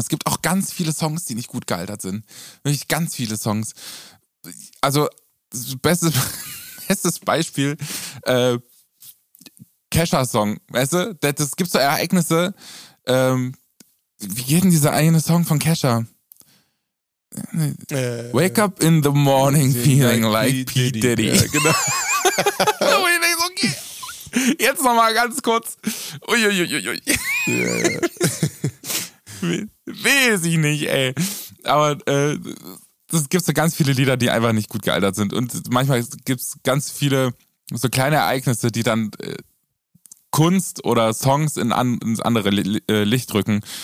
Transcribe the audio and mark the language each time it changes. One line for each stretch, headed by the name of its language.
German: Es gibt auch ganz viele Songs, die nicht gut gealtert sind. Wirklich ganz viele Songs. Also, bestes Beispiel, Kesha-Song, weißt du? Es gibt so Ereignisse. Wie geht denn dieser eine Song von Kesha?
English: Wake up in the morning feeling like P. Diddy.
German: Ja, genau. Wo ich denke, okay. Jetzt nochmal ganz kurz. Uiuiuiui. Ui, ui. Ja. Weiß ich nicht, ey. Aber es gibt so ganz viele Lieder, die einfach nicht gut gealtert sind. Und manchmal gibt es ganz viele so kleine Ereignisse, die dann Kunst oder Songs ins andere Licht drücken.